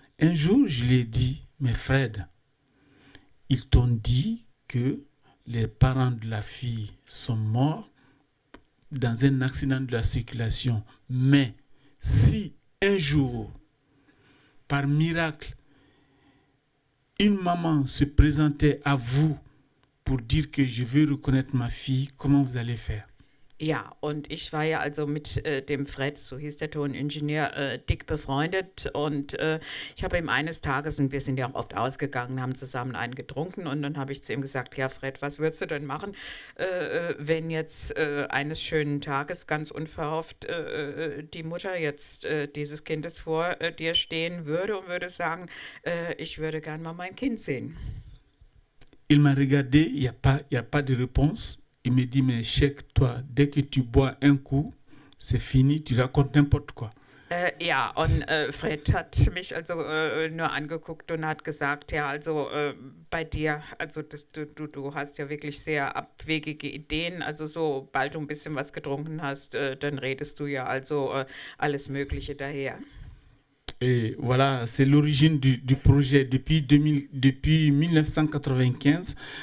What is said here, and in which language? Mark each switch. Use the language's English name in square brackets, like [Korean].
[French] Un jour, je lui ai dit, mais Fred, ils t'ont dit que les parents de la fille sont morts dans un accident de la circulation. Mais si un jour, par miracle, une maman se présentait à vous pour dire que je veux reconnaître ma fille, comment vous allez faire? [German] Ja, und ich war ja also mit dem Fred, so hieß der Toningenieur, dick befreundet. Und ich habe ihm eines Tages, und wir sind ja auch oft ausgegangen, haben zusammen einen getrunken. Und dann habe ich zu ihm gesagt: Ja, Fred, was würdest du denn machen, wenn jetzt eines schönen Tages ganz unverhofft die Mutter jetzt dieses Kindes vor dir stehen würde und würde sagen: Ich würde gern mal mein Kind sehen? [French] Il m'a regardé, y a pas de réponse. Il me dit, mais check-toi, dès que tu bois un coup, c'est fini, tu racontes n'importe quoi. [German] Ja, und Fred hat mich also nur angeguckt und hat gesagt, ja, also bei dir, also du hast ja wirklich sehr abwegige Ideen, also sobald du ein bisschen was getrunken hast, dann redest du ja also alles Mögliche daher. [French] Et voilà, c'est l'origine du projet depuis 1995.